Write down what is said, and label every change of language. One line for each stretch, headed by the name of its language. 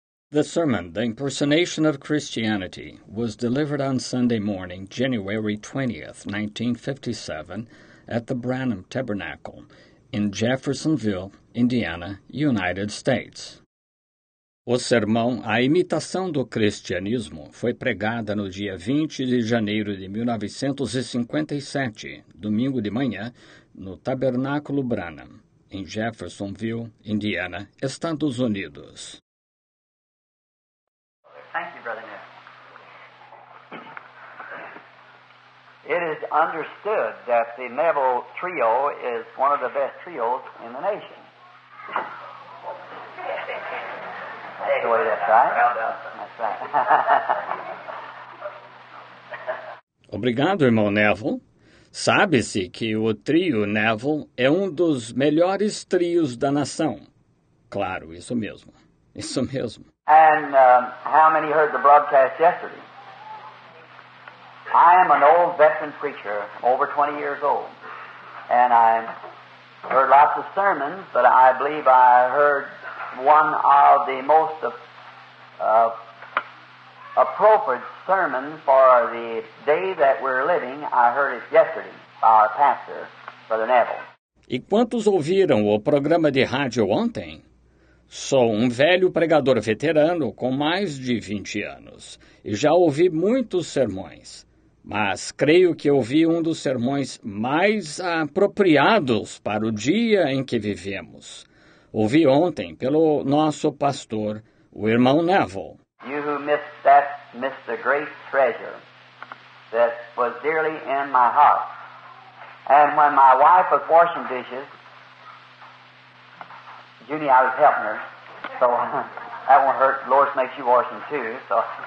English: The sermon, The Impersonation of Christianity, was delivered on Sunday morning, January 20, 1957, at the Branham Tabernacle in Jeffersonville, Indiana, United States.
Portuguese: O sermão A Imitação do Cristianismo foi pregada no dia 20 de janeiro de 1957, domingo de manhã, no Tabernáculo Branham, em Jeffersonville, Indiana, Estados Unidos.
English: Thank you, Brother Nick. It is understood that the Neville Trio is one of the best trios in the nation. That's the way that's right. That's right.
Portuguese: Obrigado, irmão Neville. Sabe-se que o trio Neville é um dos melhores trios da nação. Claro, isso mesmo. Isso mesmo.
English: And how many heard the broadcast yesterday? I am an old veteran preacher, over 20 years old. And I heard lots of sermons, but I believe I heard one of the most appropriate sermons for the day that we're living. I heard it yesterday by our pastor, Brother Neville.
Portuguese: E quantos ouviram o programa de rádio ontem? Sou um velho pregador veterano com mais de 20 anos e já ouvi muitos sermões, mas creio que ouvi um dos sermões mais apropriados para o dia em que vivemos. Ouvi ontem pelo nosso pastor, o irmão Neville.
English: You who missed that, missed the great treasure that was dearly in my heart. And when my wife was washing dishes, Junie, I was helping her, so that won't hurt. Lord makes you wash them too, so.